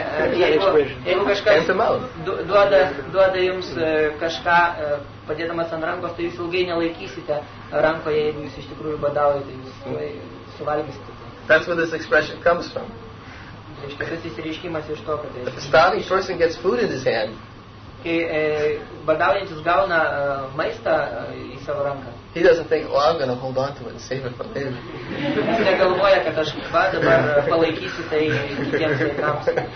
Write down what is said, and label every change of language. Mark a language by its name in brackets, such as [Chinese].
[Lithuanian] Jeigu kažkas duoda jums kažką padėdamas ant rankos, tai jūs ilgai nelaikysite rankoje, jeigu jūs iš tikrųjų badaujate, jūs suvalgysite. [English] That's where this expression comes from. [Lithuanian] Tas išreiškimas iš to, kad... [English] If a starving person gets food in his hand, [Lithuanian] kai badaujantis gauna maistą į savo ranką. [English] He doesn't think, well, I'm going to hold on to it and save it for him. [Lithuanian] Jis negalvoja, kad aš dabar palaikysiu tai kitiems vaikams.